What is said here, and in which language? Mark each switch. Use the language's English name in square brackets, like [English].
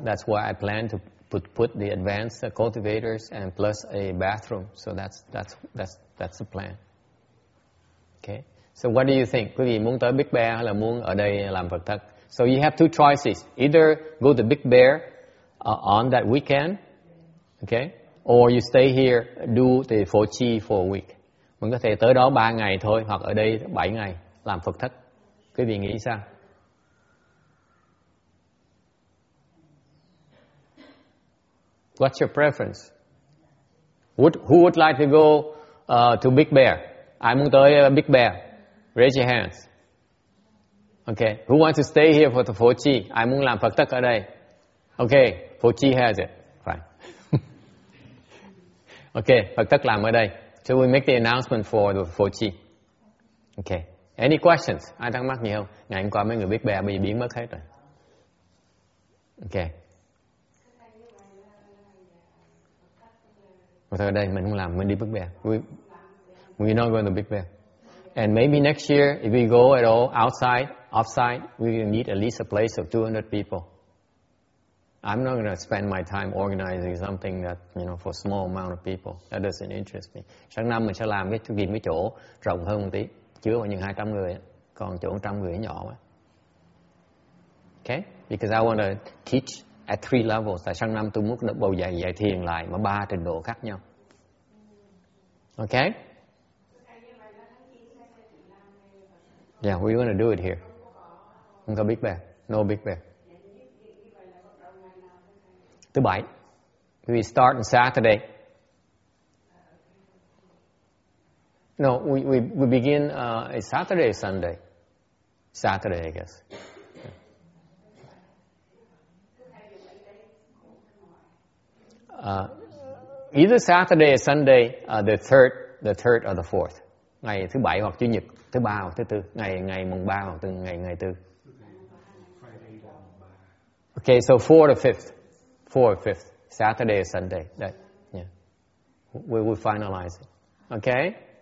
[English] That's why I plan to put the advanced cultivators and plus a bathroom. So that's the plan. Okay. So what do you think? [Vietnamese] Quý vị muốn tới Big Bear hay là muốn ở đây làm Phật Thất? [English] So you have two choices. Either go to Big Bear on that weekend, okay, or you stay here do the Phổ Chi for a week. [Vietnamese] Mình có thể tới đó 3 ngày thôi hoặc ở đây 7 ngày làm Phật Thất. Quý vị nghĩ sao? [English] What's your preference? Who would like to go to Big Bear? I'm going to Big Bear. Raise your hands. Okay, who wants to stay here for the Pho Chi? [Vietnamese] Ai muốn làm Phật tất ở đây? [English] Okay, Pho Chi has it. Fine. [Vietnamese] Okay, Phật tất làm ở đây. [English] So we make the announcement for the Pho Chi. Okay, any questions? [Vietnamese] Ai thắc mắc gì không? Ngày hôm qua mấy người biết bè bây giờ biến mất hết rồi. Okay. Ở đây mình không làm, mình đi Big Bear. [English] We're not going to Big Bear. And maybe next year, if we go at all outside, offsite, we will need at least a place of 200 people. I'm not going to spend my time organizing something that, you know, for a small amount of people. That doesn't interest me. [Vietnamese] Sáng năm mình sẽ làm cái chuyện cái chỗ rộng hơn một tí, chứa vào những 200 người, còn chỗ 100 người nhỏ quá. [English] Okay? Because I want to teach at three levels. [Vietnamese] Tại sang năm tôi muốn bầu dạy dạy thiền lại mà ba trình độ khác nhau. [English] Okay? Yeah, we're going to do it here. [Vietnamese] Không có Big Bear. [English] No Big Bear. [Vietnamese] Thứ bảy. [English] We start on Saturday. No, we begin Saturday or Sunday? Saturday, I guess. Either Saturday or Sunday, the third or the fourth. [Vietnamese] Ngày thứ bảy hoặc chủ nhật, thứ ba hoặc thứ tư. Ngày mùng ba hoặc ngày tư. [English] Okay, so fourth or fifth, Saturday or Sunday. That, yeah, we will finalize it. Okay.